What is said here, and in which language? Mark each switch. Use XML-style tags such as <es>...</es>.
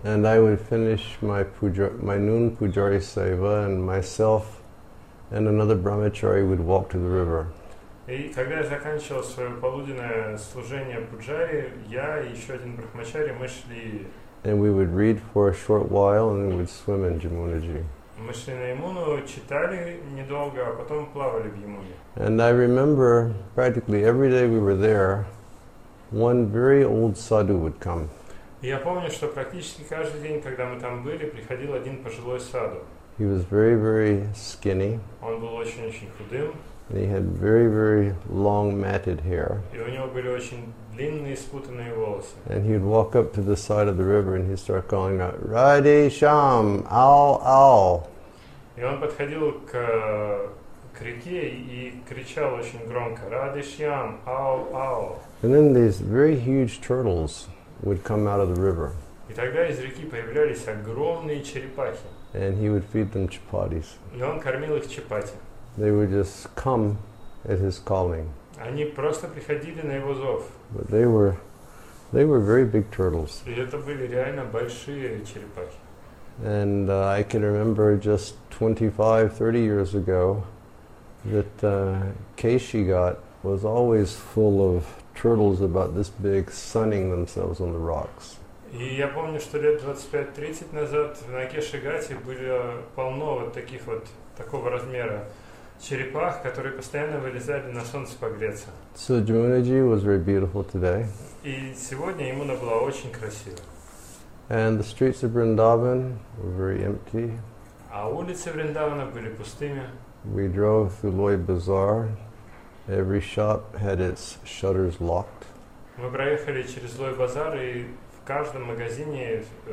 <en>And I would finish my puja, my noon pujari seva, and myself and another brahmachari would walk to the river.</en> <ru>И когда я заканчивал свое полуденное служение пуджари, я и еще один брахмачари, мы шли.</ru> <en>And we would read for a short while, and then we'd swim in Jamunaji.</en> <ru>Мы шли на Ямуну, читали недолго, а потом плавали в Ямуне.</ru> <en>And I remember practically every day we were there, one very old sadhu would come.</en> <ru>Я помню, что практически каждый день, когда мы там были, приходил один пожилой саду.</ru> <en>He was very, very skinny.</en> <ru>Он был очень-очень худым.</ru> <en>And he had very, very long matted hair.</en> <ru>И у него были очень длинные спутанные волосы.</ru> <en>And he'd walk up to the side of the river and he'd start calling out, Ради Шам, ау, ау.</en> <ru>И он подходил к реке и кричал очень громко, Ради Шам, ау, ау.</ru> <en>And then these very huge turtles would come out of the river.</en> <ru>И тогда из реки появлялись огромные черепахи.</ru> <en>And he would feed them chapatis.</en> <ru>И он кормил их чапати.</ru> <en>They would just come at his calling.</en> <ru>Они просто приходили на его зов.</ru> <en>But they were very big turtles.</en> <ru>И это были реально большие черепахи.</ru> <en>And I can remember just 25-30 years ago that Keshi got was always full of turtles about this big sunning themselves on the rocks.</en> <ru>И я помню, что лет 25-30 назад в Накеши-гате были полно вот таких вот такого размера черепах, которые постоянно вылезали на солнце погреться.</ru> <en>So Jamunaji was very beautiful today.</en> <ru>И сегодня Ямуна была очень красива.</ru> <en>And the streets of Vrindavan were very empty.</en> <ru>А улицы Вриндавана были пустыми.</ru> <en>We drove through Loy Bazaar. Every shop had its shutters locked.</en> <ru>Мы проехали через Лой Базар, и в каждом магазине</ru>